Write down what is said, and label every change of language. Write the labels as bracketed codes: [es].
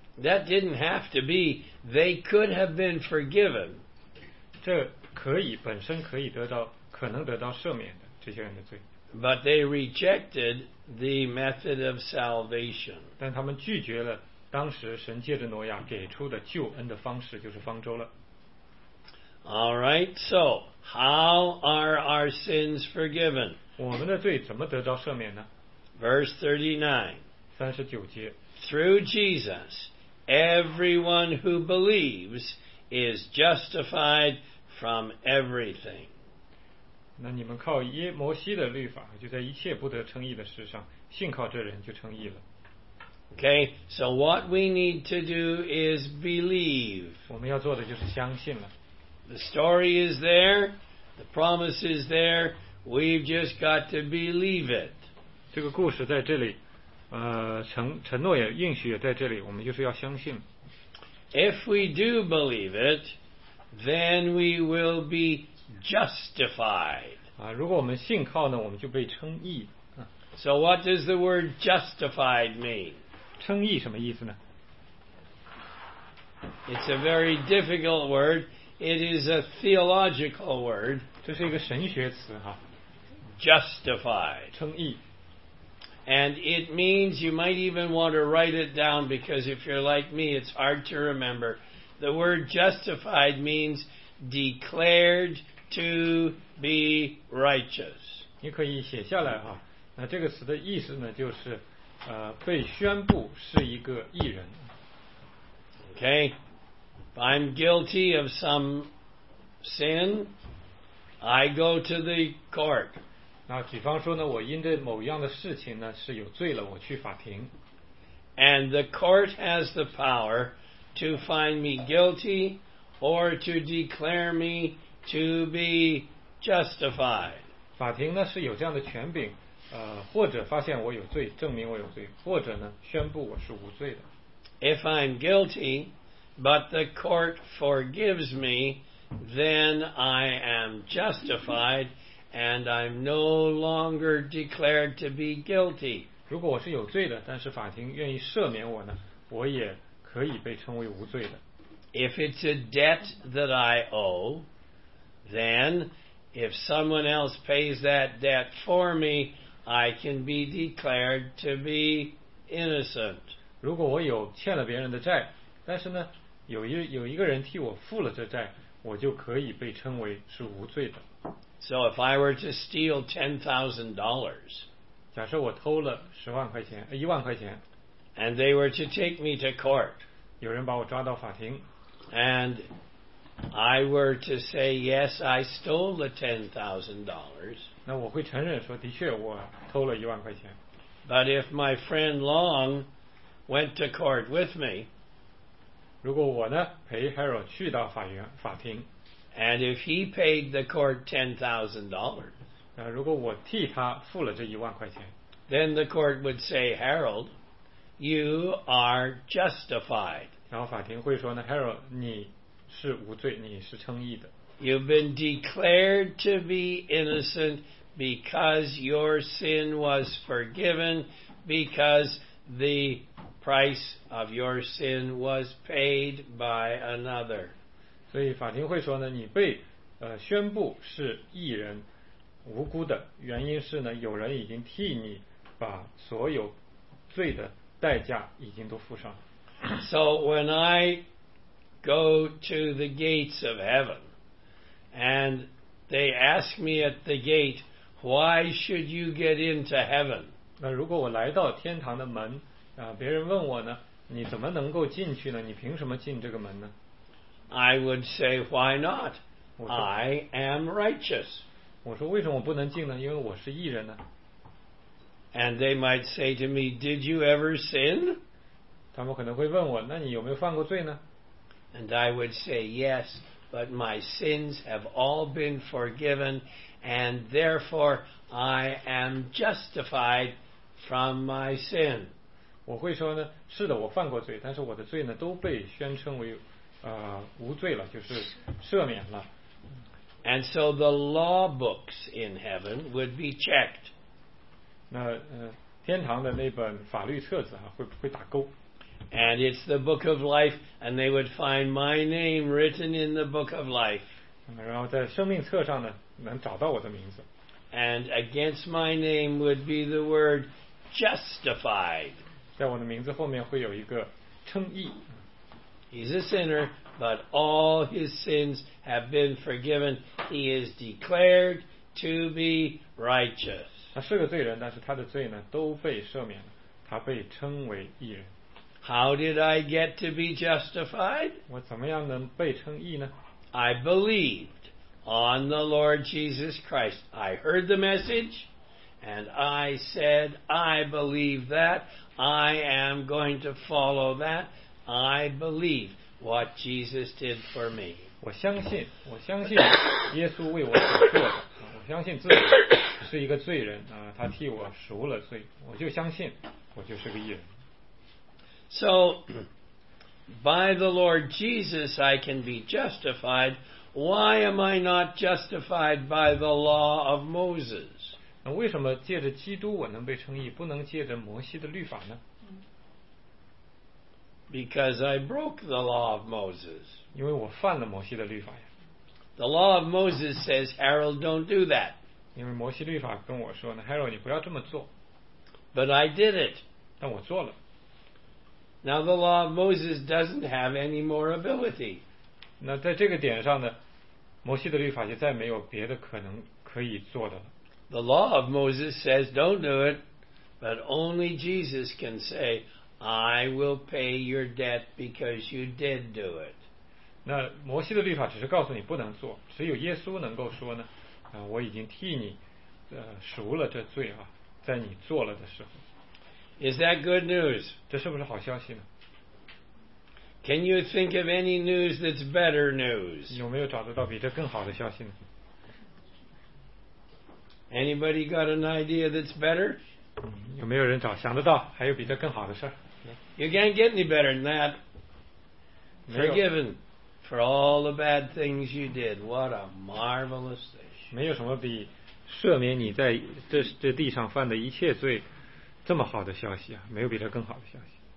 [en] That didn't have to be, they could have been forgiven. [zh] 这可以，本身可以得到，可能得到赦免的，这些人的罪。 [en] But they rejected the method of salvation. [zh] 但他们拒绝了当时神借着挪亚给出的救恩的方式，就是方舟了。 [en] All right, so how are our sins forgiven? [zh] 我们的罪怎么得到赦免呢？ [en] Verse [zh] 39. 39节。 [en] Through Jesus, everyone who believes is justified from everything. [zh] 那你们靠耶摩西的律法，就在一切不得称义的事上，信靠这人就称义了。 [en] Okay, so what we need to do is believe. [zh] 我们要做的就是相信了。 [en] The story is there, the promise is there, we've just got to believe it. [zh] 这个故事在这里，承诺也应许也在这里，我们就是要相信。 [en] If we do believe it, then we will be justified. [zh] 啊，如果我们信靠呢，我们就被称义。 [en] So what does the word justified mean? [zh] 称义什么意思呢？ [en] It's a very difficult word. It is a theological word. [zh] 这是一个神学词哈。 [en] Justified. [zh] 称义。 [en] And it means, you might even want to write it down because if you're like me, it's hard to remember. The word justified means declared to be righteous. [zh] 你可以写下来哈，那这个词的意思呢，就是被宣布是一个义人。 [en] Okay, if I'm guilty of some sin, I go to the court. [zh] 那比方说呢，我因着某样的事情呢是有罪了，我去法庭。 [en] And the court has the power to find me guilty or to declare me to be justified. [zh] 法庭呢是有这样的权柄，或者发现我有罪，证明我有罪，或者呢宣布我是无罪的。 [en] If I'm guilty, but the court forgives me, then I am justified. And I'm no longer declared to be guilty. [zh] 如果我是有罪的，但是法庭愿意赦免我呢，我也可以被称为无罪的。 [en] If it's a debt that I owe, then if someone else pays that debt for me, I can be declared to be innocent. [zh] 如果我有欠了别人的债，但是呢，有一个人替我付了这债，我就可以被称为是无罪的。 [en] So if I were to steal $10,000, [zh] 假设我偷了一万块钱 [en] and they were to take me to court, [zh] 有人把我抓到法庭 [en] and I were to say, yes, I stole the $10,000, [zh] 那我会承认说的确我偷了一万块钱 [en] but if my friend Long went to court with me, [zh] 如果我呢陪 Harold 去到法庭 [en] And if he paid the court $10,000, [zh] 如果我替他付了这一万块钱 [en] then the court would say, Harold, you are justified. [zh] 然后法庭会说呢 Harold, 你是无罪，你是称义的。 [en] You've been declared to be innocent because your sin was forgiven, because the price of your sin was paid by another. [zh] 所以法庭会说呢，你被宣布是义人，无辜的原因是呢，有人已经替你把所有罪的代价已经都付上了。 [en] So when I go to the gates of heaven, and they ask me at the gate, why should you get into heaven? [zh] 那如果我来到天堂的门，别人问我呢，你怎么能够进去呢？你凭什么进这个门呢？ [en] I would say why not? I am righteous. [zh] 我说为什么我不能进呢？因为我是义人呢。 [en] And they might say to me, did you ever sin? [zh] 他们可能会问我，那你有没有犯过罪呢？ [en] And I would say yes, but my sins have all been forgiven, and therefore I am justified from my sin. [zh] 我会说呢，是的，我犯过罪，但是我的罪呢都被宣称为无罪了，就是赦免了。 [en] And so the law books in heaven would be checked. [zh] 那天堂的那本法律册子啊，会打勾。 [en] And it's the book of life, and they would find my name written in the book of life. [zh] 然后在生命册上呢，能找到我的名字。 [en] And against my name would be the word justified. [zh] 在我的名字后面会有一个称义。 [en] He's a sinner, but all his sins have been forgiven. He is declared to be righteous. [zh] 他是个罪人，但是他的罪呢都被赦免了，他被称为义人。 [en] How did I get to be justified? [zh] 我怎么样能被称义呢？ [en] I believed on the Lord Jesus Christ. I heard the message, and I said, I believe that. I am going to follow that. I believe what Jesus did for me. [zh] 我相信耶稣为我所做的。我相信自己是一个罪人，他替我赎了罪。我就相信，我就是个义人。 [en] So, by the Lord Jesus, I can be justified. Why am I not justified by the law of Moses? [zh] 那为什么借着基督我能被称义，不能借着摩西的律法呢？ [en] Because I broke the law of Moses. [zh] 因为我犯了摩西的律法呀。 [en] The law of Moses says, Harold, don't do that. [zh] 因为摩西律法跟我说呢， Harold, 你不要这么做。 [en] But I did it. [zh] 但我做了。 [en] Now the law of Moses doesn't have any more ability. [zh] 那在这个点上呢，摩西的律法就再没有别的可能可以做的了。 [en] The law of Moses says, "Don't do it," but only Jesus can say, "I will pay your debt because you did do it." [zh] 那摩西的律法只是告诉你不能做，只有耶稣能够说呢，我已经替你赎了这罪啊，在你做了的时候。 [en] Is that good news? [zh] 这是不是好消息呢？ [en] Can you think of any news that's better news? [zh] 有没有找得到比这更好的消息呢？ [en] Anybody got an idea that's better? [zh] 有没有人找想得到还有比这更好的事？ [en] You can't get any better than that. Forgiven for all the bad things you did. What a marvelous thing. [zh] 没有什么比赦免你在 这地上犯的一切罪这么好的消息啊，没有比这更好的消息。